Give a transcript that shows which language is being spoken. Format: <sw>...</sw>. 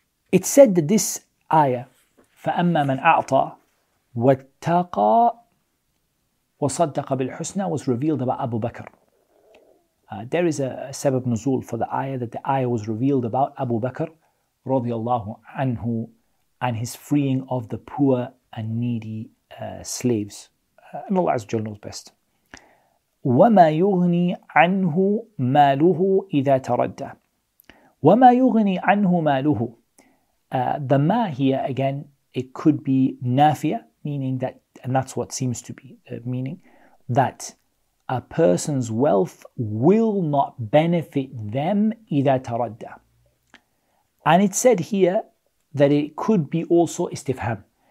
<en>It said that this ayah,</en> <ar>فَأَمَّا مَنْ أَعْطَى وَاتَّقَى وَصَدَّقَ بِالْحُسْنَى,</ar> <en>was revealed about Abu Bakr. There is a sabab nuzul for the ayah, that the ayah was revealed about Abu Bakr radiallahu anhu and his freeing of the poor and needy slaves. And Allah Azza wa Jalla knows best.</en> <ar>وَمَا يُغْنِي عَنْهُ مَالُهُ إِذَا تَرَدَّى. وَمَا يُغْنِي عَنْهُ مَالُهُ.</ar> <en>The ma here, again, it could be nafia, meaning that, and that's what seems to be meaning, that a person's wealth will not benefit them,</en> <ar>إِذَا تَرَدَّى.</ar> <en>And it said here that it could be also istifham.</en>